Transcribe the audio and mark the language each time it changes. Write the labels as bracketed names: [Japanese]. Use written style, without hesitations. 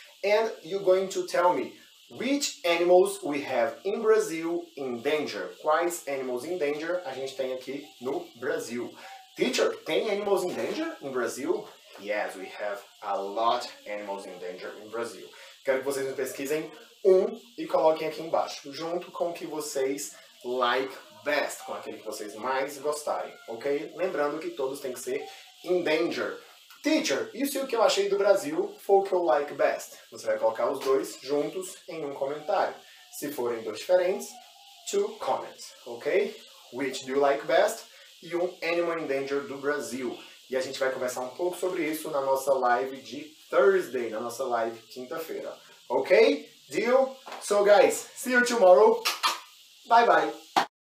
[English] And you're going to tell me, which animals we have in Brazil in danger? [Portuguese] Quais [English] animals in danger [Portuguese] a gente tem aqui no Brasil? [English] Teacher, tem animals in danger in Brazil? Yes, we have a lot animals in danger in Brazil. [Portuguese] Quero que vocês me pesquisem um e coloquem aqui embaixo, junto com o que vocês [English] like best, [Portuguese] com aquele que vocês mais gostarem, ok? Lembrando que todos têm que ser [English] in danger. [Portuguese] Teacher, isso é o que eu achei do Brasil, foi o que eu [English] like best. [Portuguese] Você vai colocar os dois juntos em um comentário. Se forem dois diferentes, [English] two comments, [Portuguese] ok? [English] Which do you like best? [Portuguese] E um animal [English] in danger [Portuguese] do Brasil. E a gente vai conversar um pouco sobre isso na nossa live de Thursday, na nossa live quinta-feira. [English] Ok? Deal? So, guys, see you tomorrow. Bye-bye.